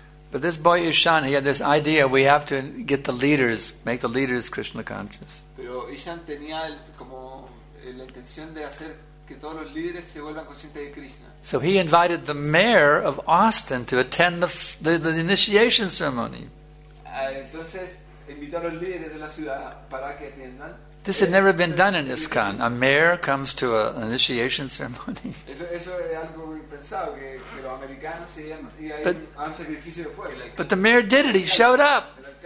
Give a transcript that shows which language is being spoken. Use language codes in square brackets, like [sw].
[en] But this boy Ishan, he had this idea, we have to get the leaders, make the leaders Krishna conscious. [es] Pero Ishan tenía como la intención de hacer que todos los líderes se vuelvan conscientes de Krishna. [en] So he invited the mayor of Austin to attend the initiation ceremony. [es] Entonces invitó a los líderes de la ciudad para que atiendan. [en] This had never been done in ISKCON. A mayor comes to an initiation ceremony. But the mayor did it. He showed up.